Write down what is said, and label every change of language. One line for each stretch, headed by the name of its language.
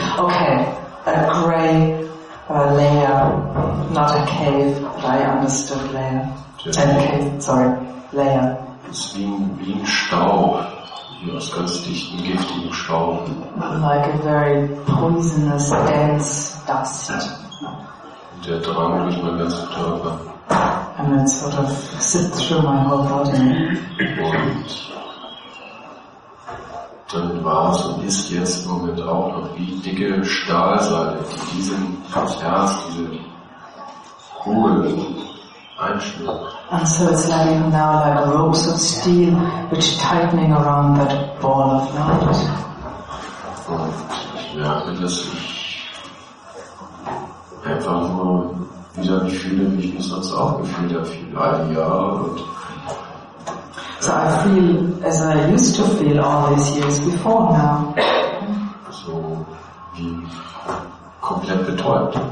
English: Okay, a grey layer, not a cave, but I understood layer. Layer.
German: Es ist wie ein Staub, wie aus ganz dichten, giftigen Staub.
English: Like a very poisonous, dense dust.
German: Und der drang durch meinen ganzen Körper.
English: And it sort of sipped through my whole body.
German: Und dann war es und ist jetzt im Moment auch noch wie dicke Stahlseile, die diesen Herz, diese Kugel einschnürt.
English: And so it's landing now like ropes of steel, which tightening around that ball of light.
German: Und ich merke, dass ich einfach nur wieder fühle, wie ich mich sonst auch gefühlt habe, viel leidiger.
English: So I feel as I used to feel all these years before now.
German: So wie komplett betäubt.